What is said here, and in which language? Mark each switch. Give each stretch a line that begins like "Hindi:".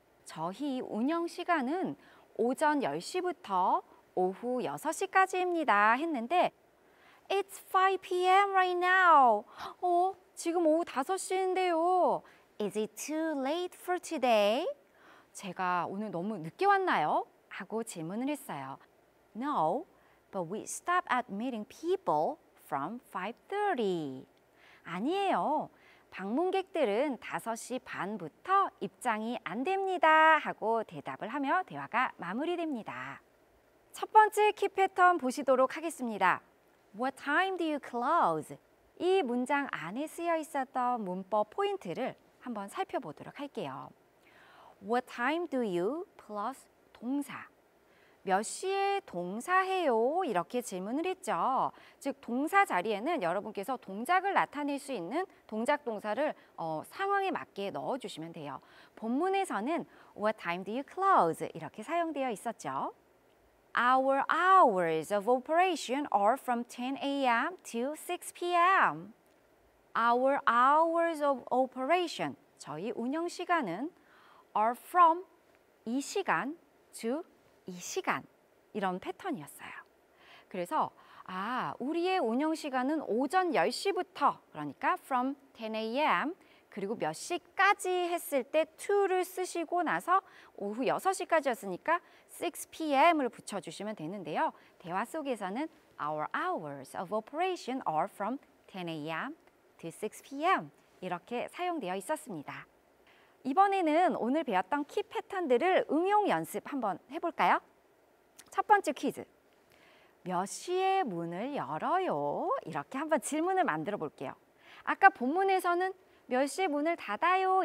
Korean: 저희 운영 시간은 오전 10시부터 오후 6시까지입니다 했는데
English: It's 5 p.m. right now.
Korean: 지금 오후 5시인데요.
English: Is it too late for today?
Korean: 제가 오늘 너무 늦게 왔나요? 하고 질문을 했어요.
English: No, but we stop at meeting people from 5:30.
Korean: 아니에요. 방문객들은 5시 반부터 입장이 안 됩니다 하고 대답을 하며 대화가 마무리됩니다. 첫 번째 키 패턴 보시도록 하겠습니다.
English: What time do you close?
Korean: 이 문장 안에 쓰여 있었던 문법 포인트를 한번 살펴보도록 할게요.
English: What time do you plus 동사.
Korean: 몇 시에 동사해요? 이렇게 질문을 했죠. 즉, 동사 자리에는 여러분께서 동작을 나타낼 수 있는 동작 동사를 상황에 맞게 넣어주시면 돼요. 본문에서는
English: What time do you close?
Korean: 이렇게 사용되어 있었죠.
English: Our hours of operation are from 10 a.m. to 6 p.m. Our hours of operation,
Korean: 저희 운영 시간은
English: are from 이 시간 to 이 시간,
Korean: 이런 패턴이었어요. 그래서 우리의 운영 시간은 오전 10시부터, 그러니까
English: from 10 a.m.
Korean: 그리고 몇 시까지 했을 때 to를 쓰시고 나서 오후 6시까지였으니까
English: 6 p.m.
Korean: 을 붙여주시면 되는데요. 대화 속에서는
English: our hours of operation are from 10 a.m. to 6 p.m.
Korean: 이렇게 사용되어 있었습니다. 이번에는 오늘 배웠던 키 패턴들을 응용 연습 한번 해볼까요? 첫 번째 퀴즈. 몇 시에 문을 열어요? 이렇게 한번 질문을 만들어 볼게요. 아까 본문에서는 몇 시에 문을 닫아요?